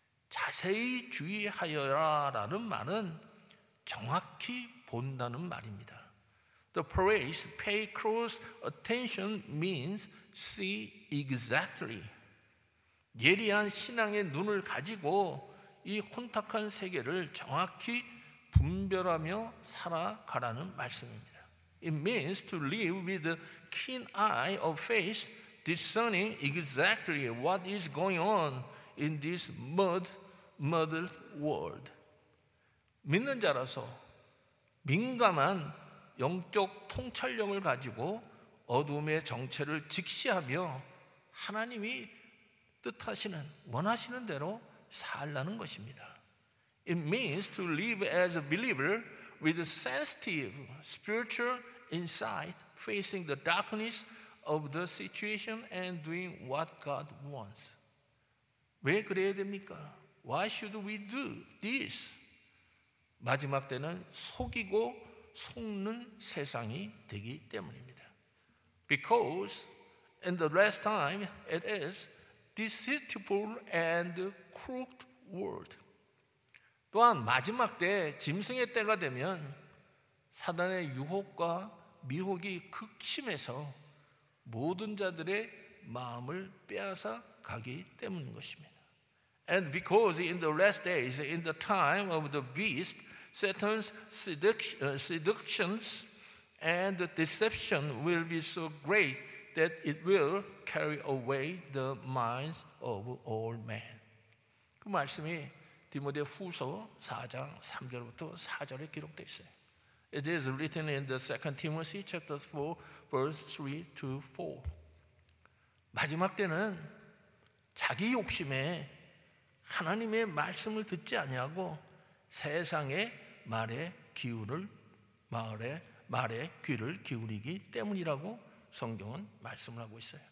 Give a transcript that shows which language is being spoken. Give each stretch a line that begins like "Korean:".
Korean: 자세히 주의하여라라는 말은 정확히 본다는 말입니다.
English: The phrase pay close attention means see exactly.
Korean: 예리한 신앙의 눈을 가지고 이 혼탁한 세계를 정확히 분별하며 살아가라는 말씀입니다.
English: It means to live with a keen eye of faith, discerning exactly what is going on in this muddled world.
Korean: 믿는 자라서 민감한 영적 통찰력을 가지고 어둠의 정체를 직시하며 하나님이 뜻하시는, 원하시는 대로 살라는 것입니다.
English: It means to live as a believer with a sensitive spiritual insight, facing the darkness of the situation and doing what God wants.
Korean: 왜 그래야 됩니까?
English: Why should we do this?
Korean: 마지막 때는 속이고 속는 세상이 되기 때문입니다.
English: Because in the last time it is deceitful and crooked world.
Korean: 또한 마지막 때 짐승의 때가 되면 사단의 유혹과 미혹이 극심해서 모든 자들의 마음을 빼앗아 가기 때문인 것입니다.
English: And because in the last days, in the time of the beast, Satan's seductions and the deception will be so great that it will carry away the minds of all men.
Korean: 그 말씀이 디모데 후서 4장 3절부터 4절에 기록되어 있어요.
English: It is written in the 2 Timothy chapter 4, verse 3 to 4.
Korean: 마지막 때는 자기 욕심에 하나님의 말씀을 듣지 아니하고 세상의 말에 기울을 말에 귀를 기울이기 때문이라고 성경은 말씀을 하고 있어요.